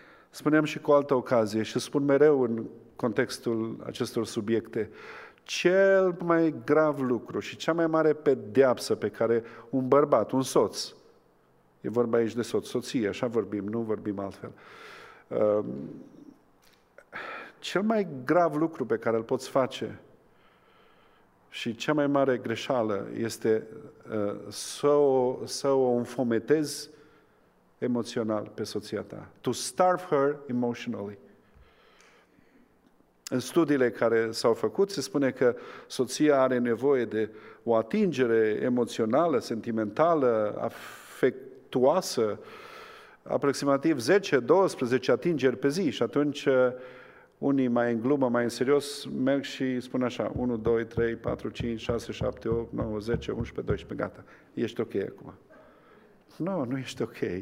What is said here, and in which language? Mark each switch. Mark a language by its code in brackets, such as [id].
[ro] Spuneam și cu altă ocazie și spun mereu în contextul acestor subiecte, cel mai grav lucru și cea mai mare pedeapsă pe care un bărbat, un soț, e vorba aici de soț, soție, așa vorbim, nu vorbim altfel. Cel mai grav lucru pe care îl poți face și cea mai mare greșeală este să o înfometezi emoțional pe soția ta. [en] To starve her emotionally. [ro] În studiile care s-au făcut, se spune că soția are nevoie de o atingere emoțională, sentimentală, afectuoasă, aproximativ 10-12 atingeri pe zi. Și atunci, unii mai în glumă, mai în serios, merg și spun așa, 1, 2, 3, 4, 5, 6, 7, 8, 9, 10, 11, 12, gata. Ești ok acum. Nu ești ok.